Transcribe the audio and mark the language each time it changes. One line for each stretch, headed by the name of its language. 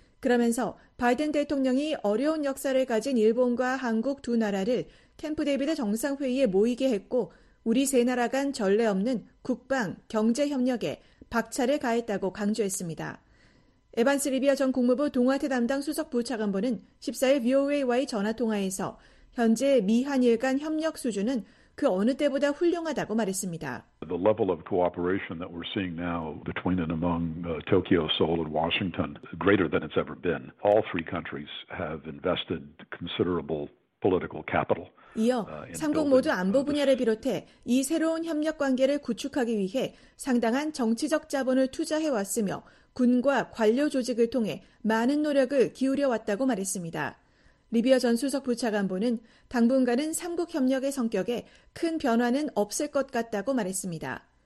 Korean: 그러면서 바이든 대통령이 어려운 역사를 가진 일본과 한국 두 나라를 캠프 데이비드 정상회의에 모이게 했고 우리 세 나라 간 전례 없는 국방, 경제협력에 박차를 가했다고 강조했습니다. 에반스 리비아 전 국무부 동아태 담당 수석 부차관보는 14일 VOA와의 전화통화에서 현재 미한일 간 협력 수준은 그 어느 때보다 훌륭하다고 말했습니다.
English: The level of cooperation that we're seeing now between and among Tokyo, Seoul, and Washington greater than it's ever been. All three countries have invested considerable political capital.
Korean: 이어 3국 모두 안보 분야를 비롯해 이 새로운 협력 관계를 구축하기 위해 상당한 정치적 자본을 투자해 왔으며 군과 관료 조직을 통해 많은 노력을 기울여 왔다고 말했습니다. 리비아 전 수석 부차관보는 당분간은 3국 협력의 성격에 큰 변화는 없을 것 같다고 말했습니다.